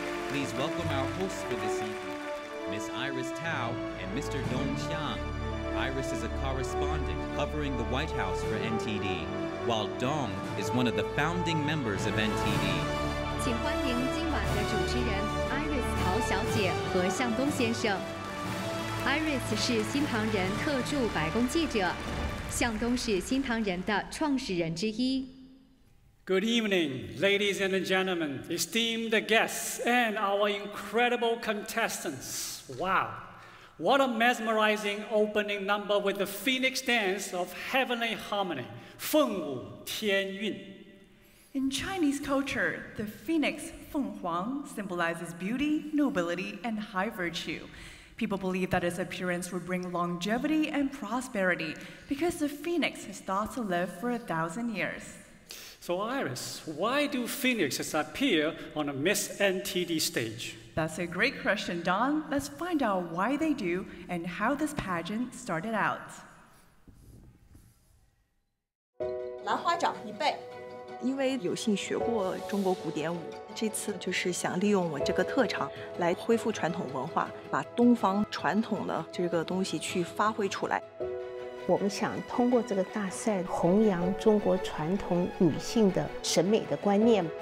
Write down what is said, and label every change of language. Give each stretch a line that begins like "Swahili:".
English: Please welcome our hosts for this evening, Ms. Iris Tao and Mr. Dong Xiang. Iris is a correspondent covering the White House for NTD, while Dong is one of the founding members of NTD.
Chinese: 请欢迎今晚的主持人 Iris 陶小姐和向东先生。 Iris 是新唐人特驻白宫记者，向东是新唐人的创始人之一。
English: Good evening, ladies and gentlemen, esteemed guests, and our incredible contestants. Wow, what a mesmerizing opening number with the phoenix dance of heavenly harmony, 凤舞天韵. In Chinese culture, the phoenix, 凤凰, symbolizes beauty, nobility, and high virtue. People believe that its appearance will bring longevity and prosperity because the phoenix is thought to live for 1,000 years. So Iris, why do phoenixes appear on a Miss NTD stage? That's a great question, Don. Let's find out why they do and how this pageant started out.
Chinese: 兰花掌一背，因为有幸学过中国古典舞，这次就是想利用我这个特长来恢复传统文化，把东方传统的这个东西去发挥出来。我们想通过这个大赛弘扬中国传统女性的审美的观念。